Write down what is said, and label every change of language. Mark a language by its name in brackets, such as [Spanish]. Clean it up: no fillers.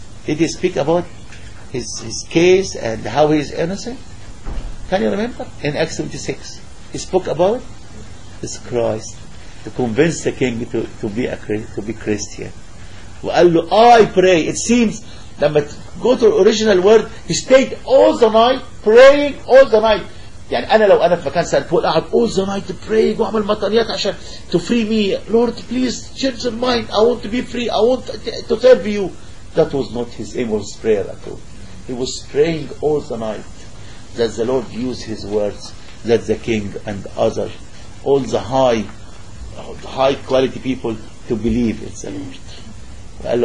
[English] Did he speak about his case and how he is innocent? Can you remember? In Acts 26, he spoke about this Christ to convince the king to be Christian. [Arabic] فقالوله, [English] I pray. It seems that go to the original word, he stayed all the night praying all the night. [Arabic] يعني أنا لو أنا في مكان سأل فول أقعد [English] all the night to pray [Arabic] وأعمل مطانيات عشان [English] to free me. Lord please change your mind, I want to be free, I want to serve you. That was not his aim or his prayer at all. He was praying all the night that the Lord use his words, that the king and other all the high quality people to believe in the Lord.